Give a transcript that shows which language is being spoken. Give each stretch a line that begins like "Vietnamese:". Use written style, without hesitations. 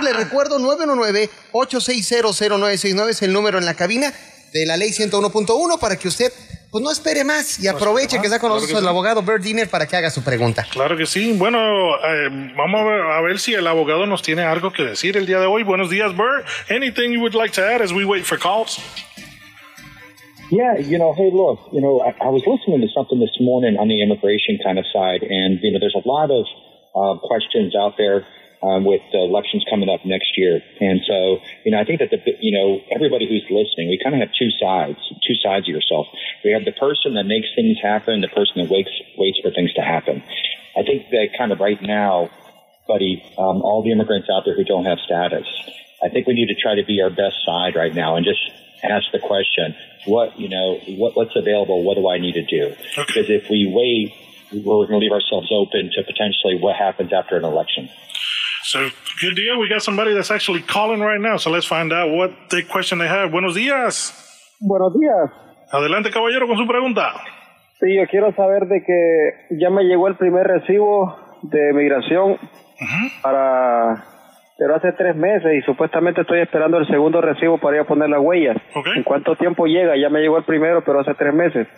Spanish: Le recuerdo, 919-860-0969 es el número en la cabina de la ley 101.1 para que usted, pues, no espere más y aproveche que está con nosotros el abogado Bird Diener para que haga su pregunta. Claro que sí. Bueno, vamos a ver si el abogado nos tiene algo que decir el día de hoy. Buenos días, Bird.
English: Anything you would like to add as we wait for calls? Yeah, hey, look, I was listening to something this morning on the immigration kind of side, and, there's a lot of questions out there with the elections coming up next year. And so, I think that, everybody who's listening, we kind of have two sides of yourself. We have the person that makes things happen, the person that waits for things to happen. I think that kind of right now, buddy, all the immigrants out there who don't have status, I think we need to try to be our best side right now and just ask the question, what's available? What do I need to do? Because if we wait, we're going to leave ourselves open to potentially what happens after an election. So, good deal. We got somebody that's actually calling right now. So let's find out what the question they have.
Spanish: Buenos días. Buenos días. Adelante, caballero, con su pregunta. Sí, yo quiero saber de que ya me llegó el primer recibo de migración pero hace 3 meses y supuestamente estoy esperando el segundo recibo para ir a poner las huellas. Okay. ¿En cuánto tiempo llega? Ya me llegó el primero, pero hace 3 meses.